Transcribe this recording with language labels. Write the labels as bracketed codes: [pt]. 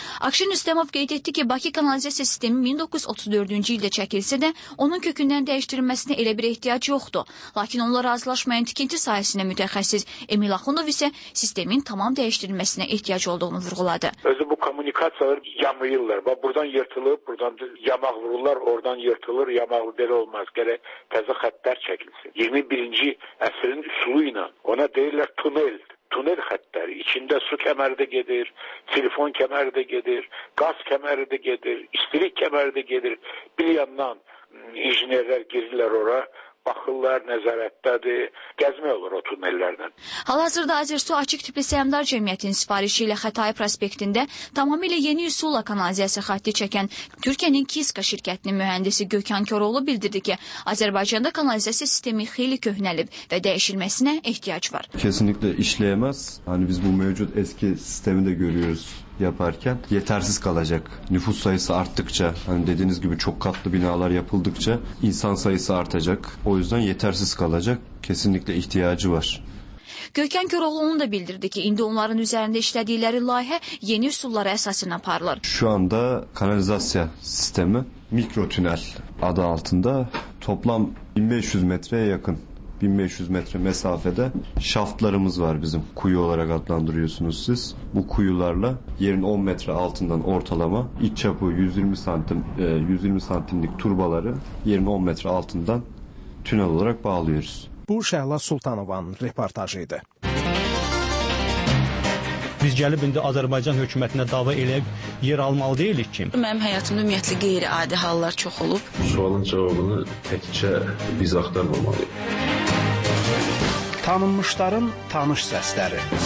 [az] Akşin Rüstəmov qeyd etdi ki, Bakı kanalizasiya sistemi 1934-cü ildə çəkilsə də onun kökündən dəyişdirilməsinə elə bir ehtiyac yoxdur. Lakin onlar razılaşmayan tikinti sahəsində mütəxəssis Emil Axunov isə sistemin tamam dəyişdirilməsinə ehtiyac olduğunu vurguladı. Özü bu kommunikasiyalar yamayırlar. Bax, buradan yırtılıb, buradan yamaq vururlar, oradan yırtılır, yamaq belə olmaz. Gələk təzə xəttlər çəkilsin. 21-ci əsrin üsulu ilə ona deyirlər tunel. Tunel xəttləri, içində su kəməri də gedir, telefon kəməri də gedir, qaz kəməri də gedir, istilik kəməri də gedir. Bir yandan injinerlər girirlər ora, baxırlar, nəzarətdədir, gəzmək olur o tunellərdən. Hal-hazırda Azersu Açıq Tipli Səhmdar Cəmiyyətinin sifarişi ilə Xətai prospektində tamamilə yeni üsulla kanalizasiya xətti çəkən Türkiyənin Kiska şirkətinin mühəndisi Gökhan Köroğlu bildirdi ki, Azərbaycanda kanalizasiya sistemi xeyli köhnəlib və dəyişilməsinə ehtiyac var. [tr] Kesinlikle işləyəməz. Hani biz bu mövcud eski sistemi də görürüz. Yaparken yetersiz kalacak. Nüfus sayısı arttıkça, hani dediğiniz gibi çok katlı binalar yapıldıkça insan sayısı artacak. O yüzden yetersiz kalacak. Kesinlikle ihtiyacı var. [az] Gökhan Köroğlu onu da bildirdi ki, indi onların üzerinde işledikleri layihə yeni üsullara esasına parlar. [tr] Şu anda kanalizasiya sistemi mikro tünel adı altında toplam 1500 metreye yakın. 1500 metre mesafede şaftlarımız var bizim. Kuyu olarak adlandırıyorsunuz siz. Bu kuyularla yerin 10 metre altından ortalama iç çapı 120 santim 120 santimlik turbaları yerin 10 metre altından tünel olarak bağlıyoruz. [az] Bu Şəhla Sultanovanın reportajıydı. Biz gəlib indi Azərbaycan hökumətinə dava eləyib yer almalı deyilik ki. Mənim həyatımda ümumiyyətlə qeyri-adi hallar çox olub. Bu sualın cavabını təkcə biz axtarmamalıyıq. Tanınmışların tanış səsləri.